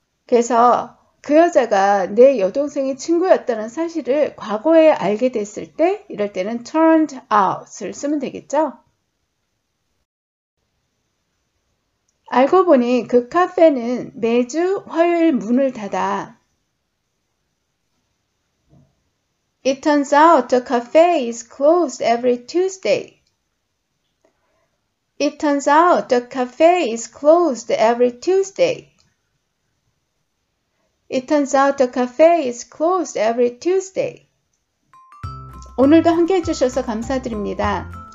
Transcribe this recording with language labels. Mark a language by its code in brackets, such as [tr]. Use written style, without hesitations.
[ko] 그래서 그 여자가 내 여동생의 친구였다는 사실을 과거에 알게 됐을 때 이럴 때는 [en] turned out [ko] 을 쓰면 되겠죠? 알고 보니 그 카페는 매주 화요일 문을 닫아. [en] It turns out the cafe is closed every Tuesday. It turns out the cafe is closed every Tuesday. It turns out the cafe is closed every Tuesday. [ko] 오늘도 함께 해주셔서 감사드립니다.